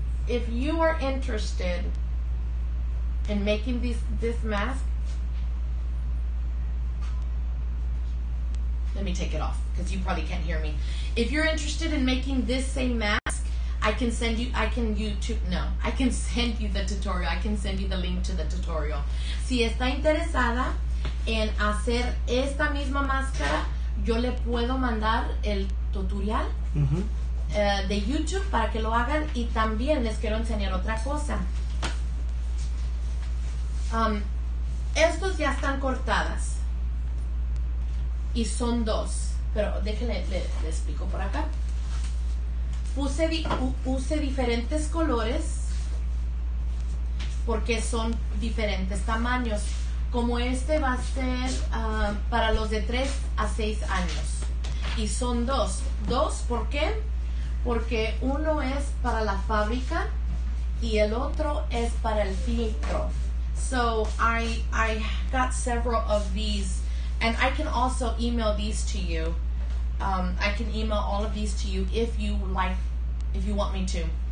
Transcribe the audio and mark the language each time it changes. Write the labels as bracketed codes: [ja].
[en] if you are interested in making this mask, let me take it off because you probably can't hear me. If you're interested in making this same mask, I can send you the tutorial. I can send you the link to the tutorial. [es] Si está interesada en hacer esta misma máscara, yo le puedo mandar el tutorial de YouTube para que lo hagan, y también les quiero enseñar otra cosa. Estos ya están cortadas y son dos, pero déjenle le explico por acá. Puse diferentes colores porque son diferentes tamaños. Como este va a ser para los de 3 a 6 años. Y son dos. ¿Dos por qué? Porque uno es para la fábrica y el otro es para el filtro. [en] So I got several of these. And I can also email these to you. I can email all of these to you if you want me to.